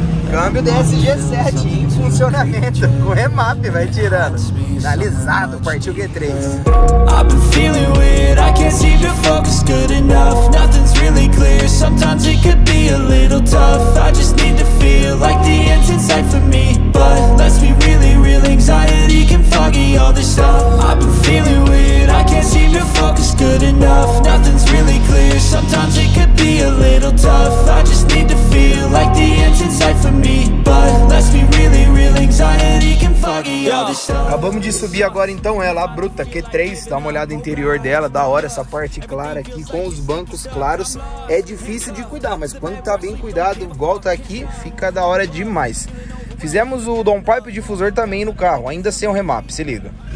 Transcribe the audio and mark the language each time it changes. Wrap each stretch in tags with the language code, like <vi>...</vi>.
<pt>Câmbio DSG7 em funcionamento, com remap, vai tirando. Finalizado, partiu Q3.</pt> <en>I've been feeling weird, I can't seem to focus good enough. Nothing's really clear, sometimes it could be a little tough. I just need to feel like the end's in sight for me. But let's be really real, anxiety can foggy all this stuff. I've been feeling weird, I can't seem to focus good enough. Nothing's really clear, sometimes it could be a little tough. I just need to feel like the end's in sight for me. But let's be really real, anxiety can foggy all this stuff.</en> <pt>Acabamos de subir agora então ela, a Bruta Q3, dá uma olhada no interior dela, da hora essa parte clara aqui, com os bancos claros, é difícil de cuidar, mas quando tá bem cuidado, igual tá aqui, fica da hora demais. Fizemos o downpipe difusor também no carro, ainda sem o remap, se liga.</pt>